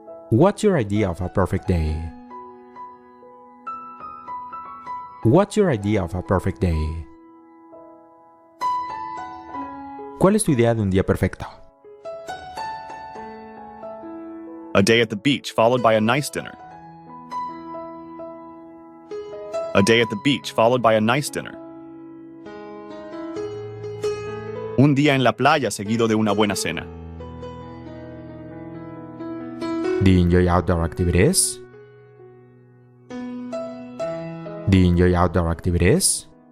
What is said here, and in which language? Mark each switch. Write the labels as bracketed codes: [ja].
[en] What's your idea of a perfect day? What's your idea of a perfect day? [es] ¿Cuál es tu idea de un día perfecto? [en] A day at the beach followed by a nice dinner. A day at the beach followed by a nice dinner. [es] Un día en la playa seguido de una buena cena. [en] Do you enjoy outdoor activities? Do you enjoy outdoor activities?